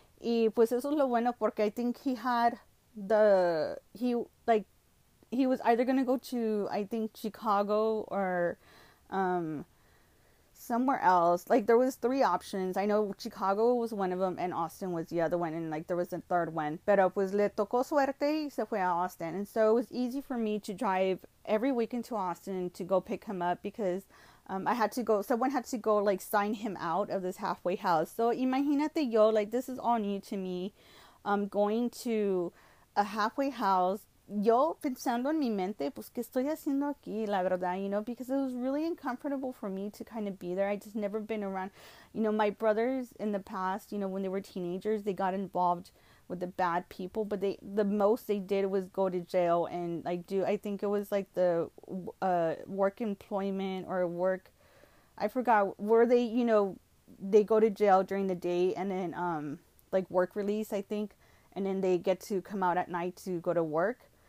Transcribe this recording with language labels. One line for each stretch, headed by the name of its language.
Spanish: Y pues eso es lo bueno porque
English: I think he had the, he, like, he was either going to go to, I think, Chicago or somewhere else. Like, there was three options. I know Chicago was one of them and Austin was the other one. And, like, there was a third one.
Spanish: Pero, pues, le tocó suerte y se fue a Austin.
English: And so it was easy for me to drive every weekend to Austin to go pick him up because I had to go, someone had to go, like, sign him out of this halfway house. So,
Spanish: imagínate yo,
English: like, this is all new to me, going to a halfway house.
Spanish: Yo pensando en mi mente, pues, ¿qué estoy haciendo aquí? La verdad,
English: you know, because it was really uncomfortable for me to kind of be there. I just never been around, you know, my brothers in the past, you know, when they were teenagers, they got involved with the bad people, but they, the most they did was go to jail and, like, do, I think it was, like, the work employment or work, I forgot, where they, you know, they go to jail during the day and then, like, work release, I think, and then they get to come out at night to go to work.